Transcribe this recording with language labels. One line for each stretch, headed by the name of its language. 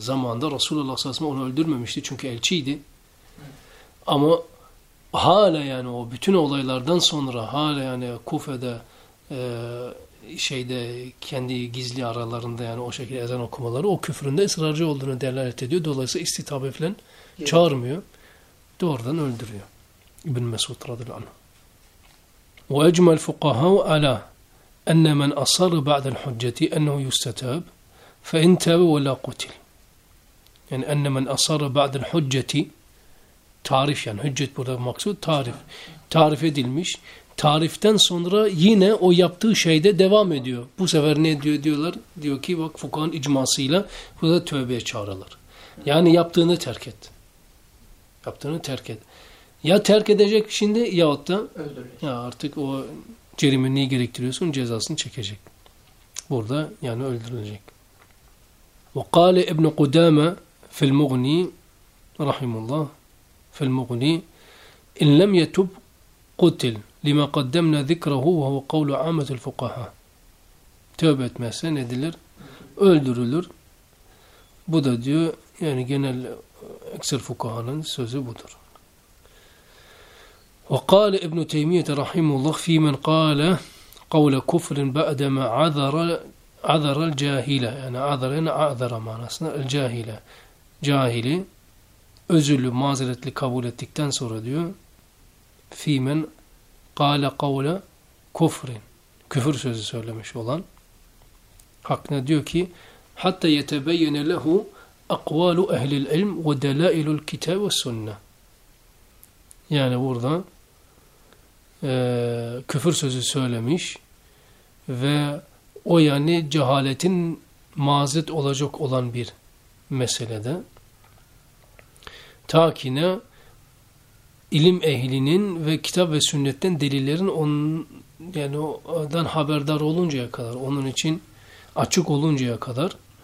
Turkish: Zamanında Resulullah sallallahu aleyhi ve sellem onu öldürmemişti. Çünkü elçiydi. Ama hala yani o bütün olaylardan sonra hala yani Kufe'de şeyde kendi gizli aralarında yani o şekilde ezan okumaları o küfründe ısrarcı olduğunu delalet ediyor. Dolayısıyla istitabe falan çağırmıyor. Doğrudan öldürüyor. İbn Mesud radıyallahu anh.
Arabic: وأجمع الفقهاء على أن من أصر بعد الحجة أنه يستتاب فإن تاب ولا قتل. يعني أن من أصر بعد الحجة تعرف يعني حجة
Turkish: burada maksud tarif. Tarif edilmiş. Tariften sonra yine o yaptığı şeyde devam ediyor. Bu sefer ne diyor diyorlar? Diyor ki bak fukahın icmasıyla bu da tövbeye çağırırlar. Yani yaptığını terk et. Yaptığını terk et. Ya terk edecek şimdi yahut da öldürecek. Ya artık o cerimini gerektiriyorsun cezasını çekecek. Burada yani öldürülecek.
Arabic: وَقَالَ اِبْنُ قُدَامَ فِي الْمُغْنِي رَحِمُ اللّٰهِ فِي الْمُغْنِي اِنْ لَمْ يَتُبْ قُتِلْ لِمَا قَدَّمْنَا ذِكْرَهُ وَهُوَ قَوْلُ عَامَةُ الْفُقَهَا.
Turkish: Tövbe etmezse ne edilir? Öldürülür. Bu da diyor yani genel ekser fukahanın sözü budur.
Arabic: وقال ابن تيمية رحمه الله في من قال قول كفر بعدما عذر الجاهلة يعني عذر معناسنا الجاهلة جاهلي
Turkish: özürlü mazeretli kabul ettikten sonra diyor
Arabic: في من قال قول كفر
Turkish: küfür sözü söylemiş olan hakkında diyor ki
Arabic: حتى يتبين له أقوال أهل العلم ودلائل الكتاب والسنة.
Turkish: Yani burada küfür sözü söylemiş ve o yani cehaletin mazit olacak olan bir meselede ta ki ne ilim ehlinin ve kitap ve sünnetten delillerin onun yani ondan haberdar oluncaya kadar onun için açık oluncaya kadar